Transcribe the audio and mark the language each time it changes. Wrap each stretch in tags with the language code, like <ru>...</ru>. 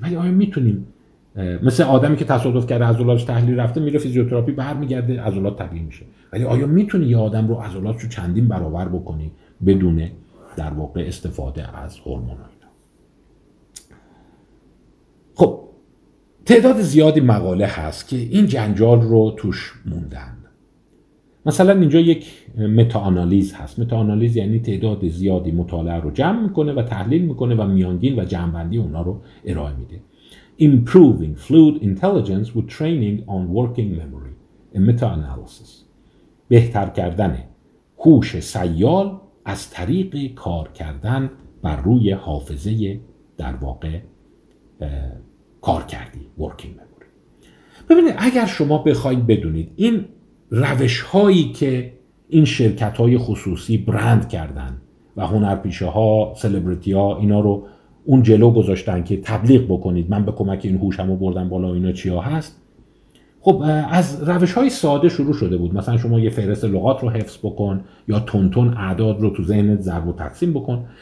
<fa>ولی آیا میتونیم مثل آدمی که تصادف کرده عضلاتش تحلیل رفته، میره فیزیوتراپی برمیگرده عضلات طبیعی میشه، ولی آیا میتونی یه آدم رو عضلاتش رو چندین برابر بکنی بدون در واقع استفاده از هورمون اینا؟ خب تعداد زیادی مقاله هست که این جنجال رو توش موندن. مثلا اینجا یک متاآنالیز هست. متاآنالیز یعنی تعداد زیادی مطالعه رو جمع میکنه و تحلیل میکنه و میانگین و جمع‌بندی اونا رو ارائه میده.</fa> <en>Improving fluid intelligence with training on working memory. A meta-analysis.</en> <fa>بهتر کردن هوش سیال از طریق کار کردن بر روی حافظه در واقع کار کردی، working memory. ببینید اگر شما بخواید بدونید این روش هایی که این شرکت های خصوصی برند کردن و هنرپیشه ها، سلبریتی ها اینا رو اون جلو گذاشتن که تبلیغ بکنید من به کمک این هوشمو بردم بالا، اینا چیا هست؟ خب از روش های ساده شروع شده بود، مثلا شما یه فهرست لغات رو حفظ بکن یا تونتون اعداد رو تو ذهنت ضرب و تقسیم بکن.</fa>